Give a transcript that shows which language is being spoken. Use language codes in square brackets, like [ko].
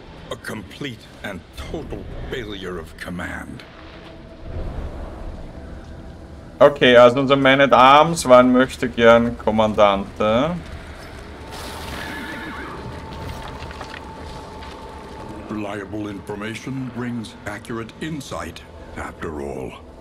[en] A complete and total failure of command. [de] Okay, also unser Man at Arms war ein Möchtegern Kommandante. [en] Reliable information brings accurate insight after all.